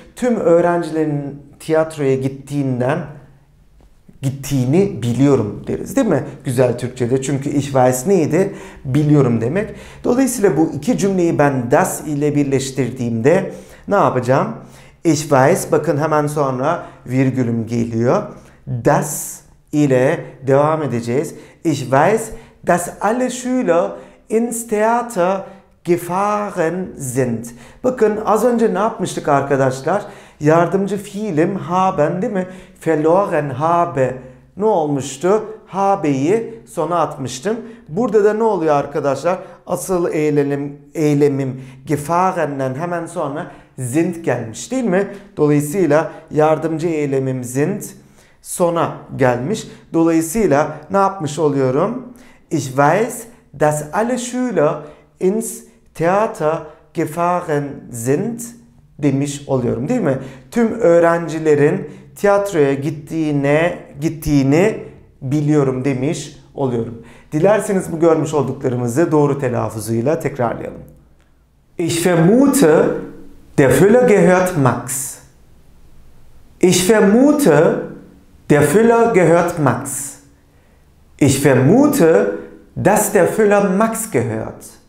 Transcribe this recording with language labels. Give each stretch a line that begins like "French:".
Turkish: Tüm öğrencilerin tiyatroya gittiğini biliyorum deriz, değil mi? Güzel Türkçe'de. Çünkü ich weiß neydi? Biliyorum demek. Dolayısıyla bu iki cümleyi ben das ile birleştirdiğimde ne yapacağım? Ich weiß, bakın hemen sonra virgülüm geliyor. Das ile devam edeceğiz.
German: Ich weiß, dass alle Schüler ins Theater gefahren sind.
Turkish: Bakın az önce ne yapmıştık arkadaşlar? Yardımcı fiilim haben, değil mi? Verloren habe. Ne olmuştu? Habe'yi sona atmıştım. Burada da ne oluyor arkadaşlar? Asıl eylemim gefahren'den hemen sonra sind gelmiş, değil mi? Dolayısıyla yardımcı eylemim sind sona gelmiş. Dolayısıyla ne yapmış oluyorum?
German: Ich weiß, dass alle Schüler ins Theater gefahren sind demiş oluyorum, değil mi?
Turkish: Tüm öğrencilerin tiyatroya gittiğini biliyorum demiş oluyorum. Dilerseniz bu görmüş olduklarımızı doğru telaffuzuyla tekrarlayalım.
German: Ich vermute, der Füller gehört Max. Ich vermute, der Füller gehört Max. Ich vermute, dass der Füller Max gehört.